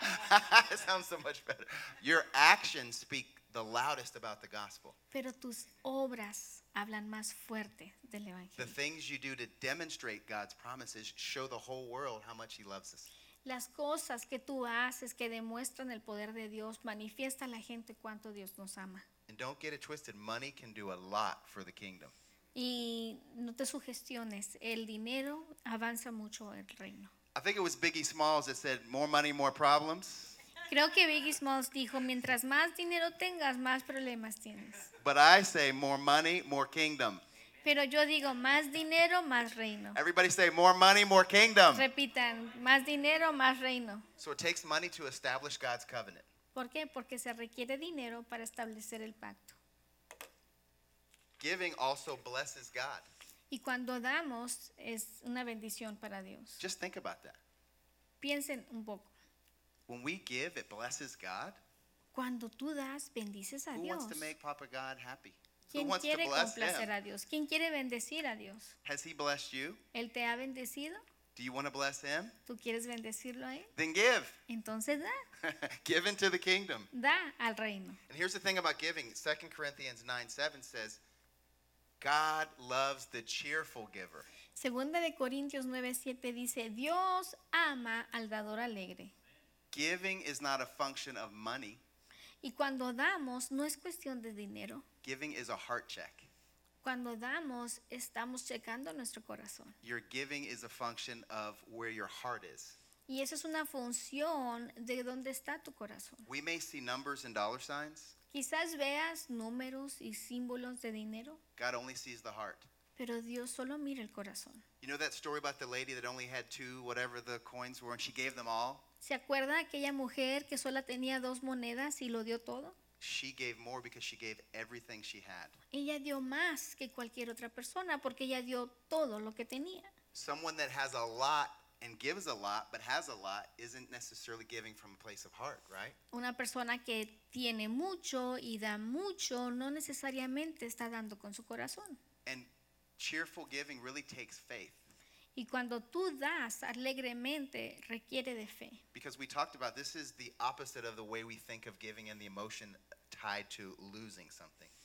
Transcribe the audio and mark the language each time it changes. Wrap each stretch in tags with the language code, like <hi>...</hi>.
<en>That sounds so much better. Your actions speak the loudest about the gospel.</en> <es>Pero tus obras hablan más fuerte del evangelio.</es> <en>The things you do to demonstrate God's promises show the whole world how much he loves us.</en> <es>Las cosas que tú haces que demuestran el poder de Dios manifiestan a la gente cuánto Dios nos ama.</es> <en>And don't get it twisted. Money can do a lot for the kingdom.</en> <es>Y no te sugestiones. El dinero avanza mucho el reino.</es> <en>I think it was Biggie Smalls that said, more money, more problems.</en> <es>Creo que Biggie Smalls dijo, mientras más dinero tengas, más problemas tienes.</es> <en>But I say, more money, more kingdom.</en> <es>Pero yo digo, más dinero, más reino.</es> <en>Everybody say, more money, more kingdom.</en> <es>Repitan, más dinero, más reino.</es> <en>So it takes money to establish God's covenant.</en> <es>¿Por qué? Porque se requiere dinero para establecer el pacto.</es> <en>Giving also blesses God.</en> <es>Y cuando damos, es una bendición para Dios.</es> <en>Just think about that.</en> <es>Piensen un poco.</es> <en>When we give, it blesses God.</en> <es>Cuando tú das, bendices a</es> <en>Who</en> <es>Dios.</es> <en>Wants to make Papa God happy?</en> <es>¿Quién quiere complacer a Dios? ¿Quién quiere bendecir a Dios?</es> <en>Has he blessed you?</en> <es>¿Él te ha bendecido?</es> <en>Do you want to bless him?</en> <es>¿Tú quieres bendecirlo a él?</es> <en>Then give.</en> <es>Entonces da.</es> <en>Give into the kingdom.</en> <es>Da al reino.</es> <en>And here's the thing about giving. 2 Corinthians 9:7 says, God loves the cheerful giver.</en> <es>Segunda de Corintios 9:7 dice, Dios ama al dador alegre.</es> <en>Giving is not a function of money.</en> <es>Y cuando damos, no es cuestión de dinero.</es> <en>Giving is a heart check.</en> <es>Cuando damos, estamos checando nuestro corazón.</es> <en>Your giving is a function of where your heart is.</en> <es>Y eso es una función de dónde está tu corazón.</es> <en>We may see numbers and dollar signs.</en> <es>Quizás veas números y símbolos de dinero.</es> <en>God only sees the heart.</en> <es>Pero Dios solo mira el corazón.</es> <en>You know that story about the lady that only had two, whatever the coins were, and she gave them all?</en> <es>¿Se acuerda aquella mujer que solo tenía dos monedas y lo dio todo?</es> <en>She gave more because she gave everything she had.</en> <es>Ella dio más que cualquier otra persona porque ella dio todo lo que tenía.</es> <en>Someone that has a lot and gives a lot but has a lot isn't necessarily giving from a place of heart, right?</en> <es>Una persona que tiene mucho y da mucho no necesariamente está dando con su corazón.</es> <en>And cheerful giving really takes faith.</en> <es>Y cuando tú das alegremente, requiere de fe.</es> <en>Because we talked about this is the opposite of the way we think of giving and the emotion tied to losing something.</en>